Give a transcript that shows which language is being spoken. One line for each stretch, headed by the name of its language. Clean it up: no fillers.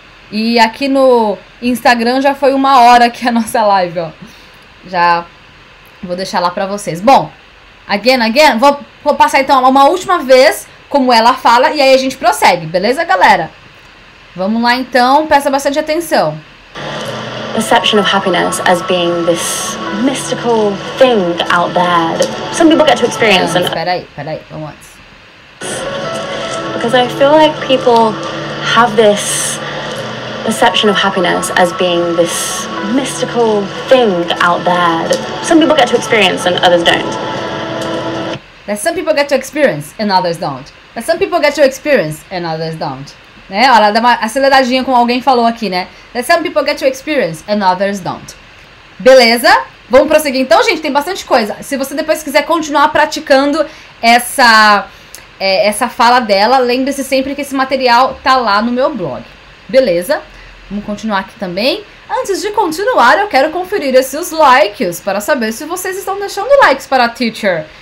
Portuguese: E aqui no Instagram já foi uma hora que a nossa live, ó. Já vou deixar lá pra vocês. Bom, again, again, vou passar então uma última vez como ela fala e aí a gente prossegue, beleza, galera? Vamos lá então, presta bastante atenção.
English: Perception of happiness as being this mystical thing out there that some people get to experience.
Portuguese: Peraí, vamos antes.
English: Because I feel like people have this perception of happiness as being this mystical thing out there that some people get to experience and others don't. That some people get to experience and others don't. That some people get to experience and others don't.
Portuguese: Né? Olha, dá uma aceleradinha como alguém falou aqui, né?
English: That some people get to experience and others don't.
Portuguese: Beleza? Vamos prosseguir então, gente? Tem bastante coisa. Se você depois quiser continuar praticando essa fala dela, lembre-se sempre que esse material tá lá no meu blog. Beleza? Vamos continuar aqui também. Antes de continuar, eu quero conferir esses likes para saber se vocês estão deixando likes para a teacher.